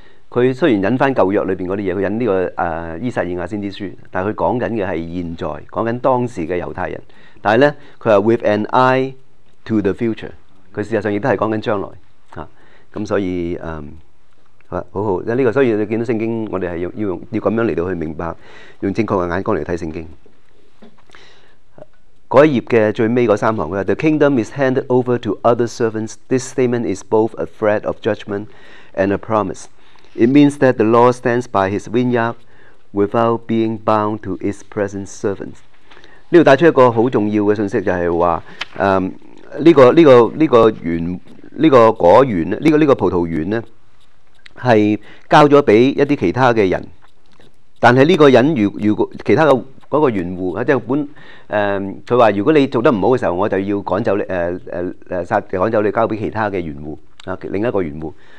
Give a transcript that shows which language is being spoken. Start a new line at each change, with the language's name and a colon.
Chinese: 他雖然引回舊約裏面那些東西，他引這個伊撒爾亞先知書，但他講的是現在，講的當時的猶太人，但是呢他是
English: with an eye to the future，
Chinese: 他事實上也是講的將來，啊，所以，好好，這個，所以你看到聖經我們是 要這樣來到去明白，用正確的眼光來看聖經。那一頁的最尾那三行，他說
English: The kingdom is handed over to other servants， This statement is both a threat of judgment and a promiseIt means that the Lord stands by his vineyard without being bound to its present servants.
Chinese: 这里带出一个很重要的信息，就是说，这个葡萄园呢，是交了给一些其他的人，但是这个人如果其他的那个园户，即是本，他说如果你做得不好的时候，我就要赶走你，赶走你交给其他的园户，另一个园户。